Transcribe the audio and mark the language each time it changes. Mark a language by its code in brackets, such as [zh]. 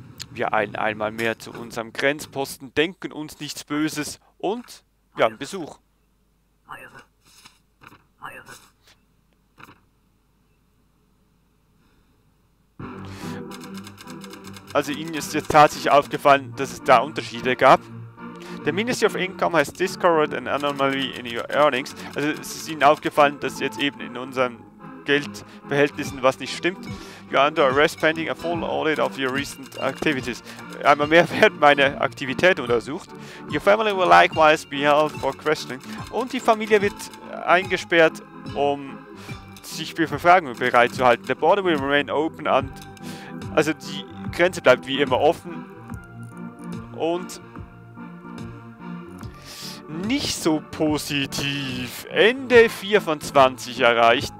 [de] Wir eilen einmal mehr zu unserem Grenzposten, denken uns nichts Böses und wir haben Besuch. Also Ihnen ist jetzt tatsächlich aufgefallen, dass es da Unterschiede gab. [en] The Ministry of Income has discovered an anomaly in your earnings. [de] Also es ist Ihnen aufgefallen, dass jetzt eben in unseren Geldverhältnissen was nicht stimmt. [en] You are under arrest pending a full audit of your recent activities. [de] Einmal mehr wird meine Aktivität untersucht. [en] Your family will likewise be held for questioning. [de] Und die Familie wird eingesperrt, um sich für Befragungen bereit zu halten. [en] The border will remain open and... [de] Also die Grenze bleibt wie immer offen. Und... nicht so positiv. Ende 4 von 20 erreicht.